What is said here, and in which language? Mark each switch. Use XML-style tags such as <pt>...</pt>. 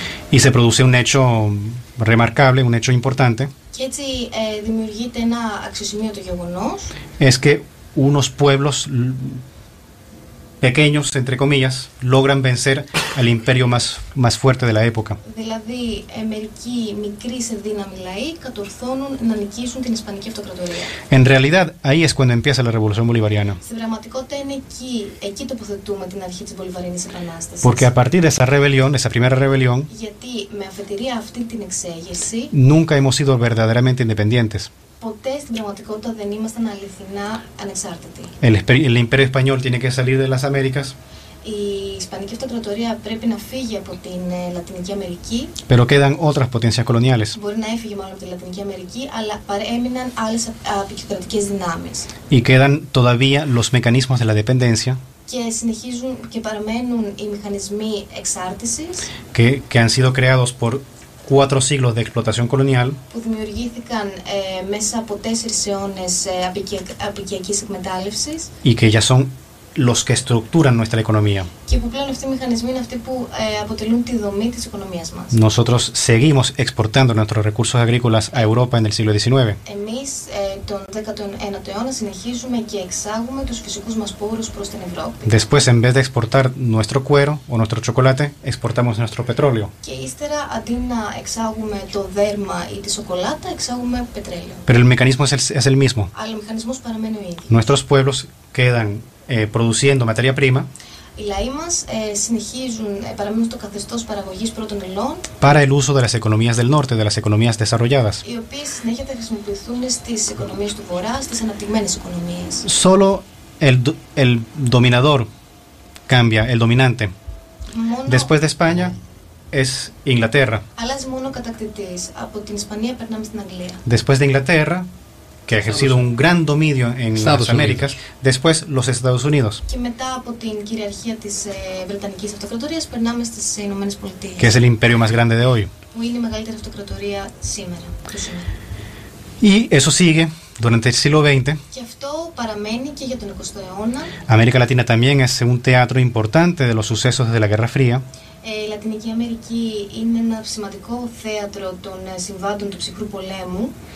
<es>Y se produce un hecho remarcable, un hecho importante.</es> <el>Και έτσι δημιουργείται ένα αξιοσημείωτο γεγονός.</el> <es>Es que unos pueblos pequeños, entre comillas, logran vencer al imperio más fuerte de la época.</es> <el>Δηλαδή, μερικοί μικροί σε δύναμη λαοί κατορθώνουν να νικήσουν την Ισπανική Αυτοκρατορία.</el> <es>En realidad, ahí es cuando empieza la Revolución Bolivariana.</es> <el>Στην πραγματικότητα είναι εκεί τοποθετούμε την αρχή της Βολιβαρινής Επανάστασης.</el> <es>Porque a partir de esa rebelión, esa primera rebelión,</es> <el>γιατί με αφετηρία αυτή την εξέγερση,</el> <es>nunca hemos sido verdaderamente independientes.</es> <el>ποτέ στην πραγματικότητα δεν ήμασταν αληθινά ανεξάρτητοι.</el> <es>El Imperio Español tiene que salir de las Américas.</es> <el>Η Ισπανική Αυτοκρατορία πρέπει να φύγει από την Λατινική Αμερική.</el> <es>Pero quedan otras potencias coloniales.</es> <el>Μπορεί να έφυγε μάλλον από τη Λατινική Αμερική, αλλά παρέμειναν άλλες αποικιοκρατικές δυνάμεις.</el> <es>Y quedan todavía los mecanismos de la dependencia.</es> <el>Και συνεχίζουν και παραμένουν οι μηχανισμοί εξάρτησης.</el> <es>Que han sido creados por cuatro siglos de explotación colonial.</es> <el>Που δημιουργήθηκαν μέσα από τέσσερις αιώνες αποικιακής εκμετάλλευσης.</el> <es>Y que ya son los que estructuran nuestra economía.</es> <el>Και που πλέον αυτοί οι μηχανισμοί είναι αυτοί που αποτελούν τη δομή της οικονομίας μας.</el> <es>Nosotros seguimos exportando nuestros recursos agrícolas a Europa en el siglo XIX.</es> <el>Εμείς τον 19ο αιώνα συνεχίζουμε και εξάγουμε τους φυσικούς μας πόρους προς την Ευρώπη.</el> <es>Después, en vez de exportar nuestro cuero o nuestro chocolate, exportamos nuestro petróleo.</es> <el>Και ύστερα, αντί να εξάγουμε το δέρμα ή τη σοκολάτα, εξάγουμε πετρέλαιο.</el> <es>Pero el mecanismo es el mismo.</es> <el>Αλλά ο μηχανισμός παραμένει ο ίδιος.</el> <es>Nuestros pueblos quedan produciendo materia prima.</es> <el>Οι λαοί μας συνεχίζουν παραμένουν στο καθεστώς παραγωγής πρώτων υλών.</el> <es>Para el uso de las economías del norte, de las economías desarrolladas.</es> <el>Οι οποίες συνέχεια θα χρησιμοποιηθούν στις οικονομίες του βορρά, στις αναπτυγμένες οικονομίες.</el> <es>Solo el dominador cambia, el dominante. Después de España es Inglaterra.</es> <el>Αλλάζει μόνο ο κατακτητής. Από την Ισπανία περνάμε στην Αγγλία.</el> <es>Después de Inglaterra, que ha ejercido un gran dominio en las Américas, después los Estados Unidos.</es> <el>Και μετά από την κυριαρχία της Βρετανικής Αυτοκρατορίας περνάμε στις Ηνωμένες Πολιτείες.</el> <es>Que es el imperio más grande de hoy.</es> <el>Που είναι η μεγαλύτερη αυτοκρατορία σήμερα.</el> <es>Y eso sigue durante el siglo XX.</es> <el>Και αυτό παραμένει και για τον 20ο αιώνα.</el> <es>América Latina también es un teatro importante de los sucesos de la Guerra Fría.</es> <el>Η Λατινική Αμερική είναι ένα σημαντικό θέατρο των συμβάντων του ψυχρού πολέμου.</el>